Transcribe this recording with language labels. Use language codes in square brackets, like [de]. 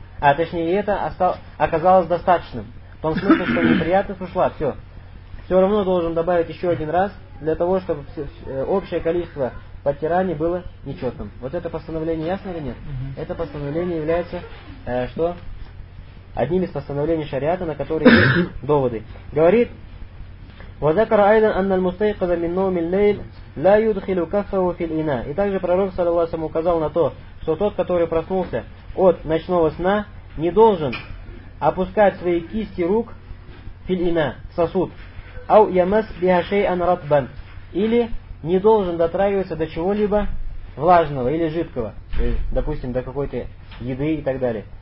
[ru] А точнее, это оказалось достаточным. В том смысле, что неприятность ушла, все. Все равно должен добавить еще 1 раз, для того, чтобы общее количество подтираний было нечетным. Вот это постановление ясно или нет? Угу. Это постановление является, что? Одним из постановлений шариата, на которые есть доводы. [ar] Говорит, وَذَكَرَ أَيْدًا أَنَّ الْمُسْتَيْقَذَ مِنْ نَوْمِ اللَّيْلِ لَا يُدْخِلُ كَفَّهُ فِي الْإِنَا. [ru] И также пророк, саллаллаху алейхи ва саллям, указал на то, что тот, который проснулся от ночного сна, не должен опускать свои кисти рук фил-ина, в сосуд. [ar] أَوْ يَمَسْ بِهَ شَيْءًا رَطْبًا. [ru] Или не должен дотрагиваться до чего-либо влажного или жидкого. То есть, допустим, до какой-то еды и так далее.